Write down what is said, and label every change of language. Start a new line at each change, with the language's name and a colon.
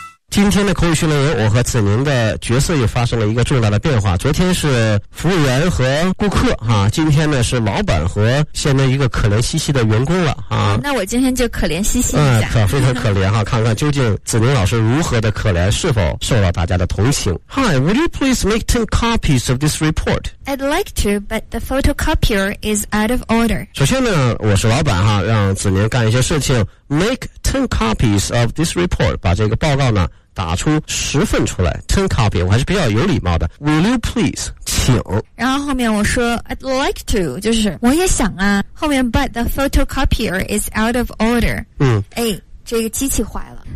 Chinese: 今天的口语训练营，我和子宁的角色又发生了一个重大的变化。昨天是服务员和顾客哈，今天呢是老板和现在一个可怜兮兮的员工了啊。那我今天就可怜兮兮一下，可非常可怜哈，看看究竟子宁老师如何的可怜，是否受到大家的同情。
English: Hi, would you please make 10 copies of this report? I'd like to, but the photocopier is out of order.
Chinese: 首先呢，我是老板哈，让子宁干一些事情。
English: Make 10 copies of this report，
Chinese: 把这个报告呢打出十份出来。 10 copy 我还是比较有礼貌的，
English: Will you please，
Chinese: 请。然后后面我说
English: I'd like to，
Chinese: 就是我也想啊，后面
English: But the photocopier is out of order。
Chinese: 这个机器坏了。